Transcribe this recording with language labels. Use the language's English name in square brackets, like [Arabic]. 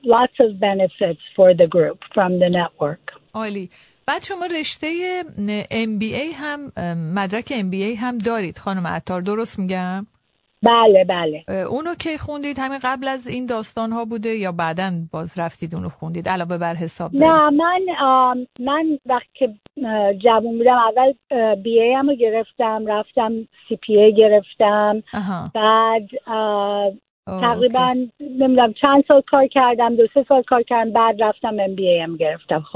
[English] Lots of benefits for the group from the network. [Persian] عالی. بعد شما رشته MBA هم، مدرک MBA هم دارید خانم عطار، درست میگم؟ بله بله. اونو که خوندید همین قبل از این داستان ها بوده یا بعدن باز رفتید اونو خوندید علاوه بر حساب دارید؟ نه من وقتی که جوان بودم اول بی ای ام رو گرفتم، رفتم سی پی ای گرفتم. اها. بعد تقریبا نمیدونم چند سال کار کردم، 2-3 سال کار کردم بعد رفتم ام بی ای ام گرفتم.